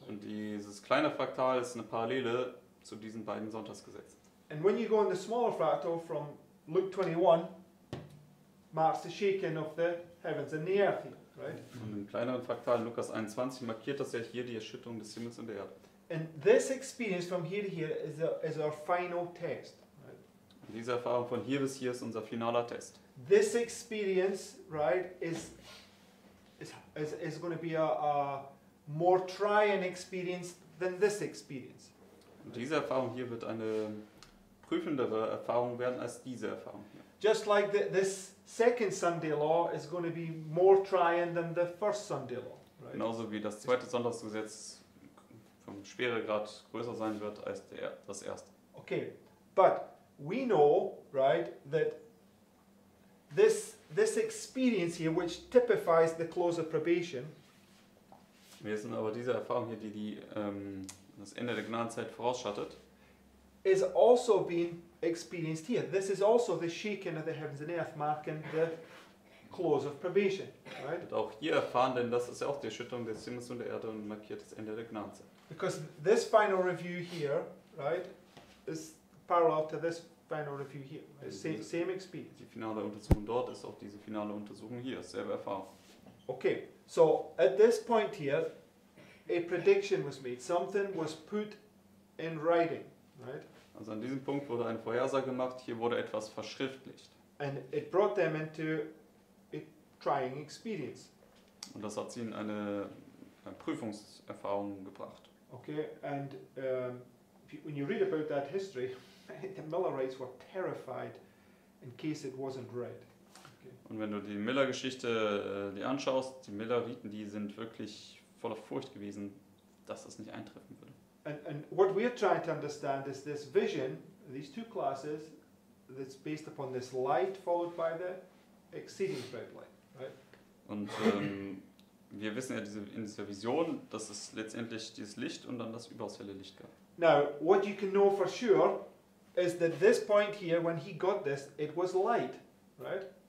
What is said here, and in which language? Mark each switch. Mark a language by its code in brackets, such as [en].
[en] Right? [de] Und dieses kleine Fraktal ist eine Parallele zu diesen beiden Sonntagsgesetzen. [en] And when you go in the smaller fractal from Luke 21 marks the shaking of the heavens and the earth, right? [de] Und im kleineren Fraktal Lukas 21 markiert das ja hier die Erschütterung des Himmels und der Erde. [en] And this experience from here to here is our final test, right? [de] Diese Erfahrung von hier bis hier ist unser finaler Test. [en] This experience, right, is going to be a more trying experience than this experience. [de] Und diese Erfahrung hier wird eine prüfendere Erfahrungen werden als diese Erfahrung. [en] Just like this second Sunday law is going to be more trying than the first Sunday law. Right? [de] Genauso wie das zweite Sonntagsgesetz vom Schweregrad größer sein wird als das erste. [en] Okay, but we know, right, that this experience here, which typifies the close of probation. [de] Wir sind aber diese Erfahrung hier, die das Ende der Gnadenzeit vorausschattet. [en] Is also being experienced here. This is also the shaking of the heavens and earth, marking the close of probation. Right? [de] Und auch hier erfahren, denn das ist ja auch die Erschütterung des Himmels und der Erde und markiert das Ende der Gnadenzeit. [en] Because this final review here, right, is parallel to this final review here. Same experience. [de] Die finale Untersuchung dort ist auch diese finale Untersuchung hier, selbe Erfahrung. [en] Okay, so at this point here, a prediction was made. Something was put in writing, right? [de] Also an diesem Punkt wurde eine Vorhersage gemacht, hier wurde etwas verschriftlicht. [en] And it brought them into a trying experience. [de] Und das hat sie in eine Prüfungserfahrung gebracht. [en] Okay, and when you read about that history, the Millerites were terrified in case it wasn't right. [de] Und wenn du die Miller-Geschichte anschaust, die Milleriten, die sind wirklich voller Furcht gewesen, dass das nicht eintreffen würde. [en] And what we're trying to understand is this vision, these two classes, that's based upon this light followed by the exceeding bright light, right? [de] Und wir wissen ja in dieser Vision, dass es letztendlich dieses Licht und dann das überaus helle Licht gab. [en] Now, what you can know for sure is that this point here, when he got this, it was light, right?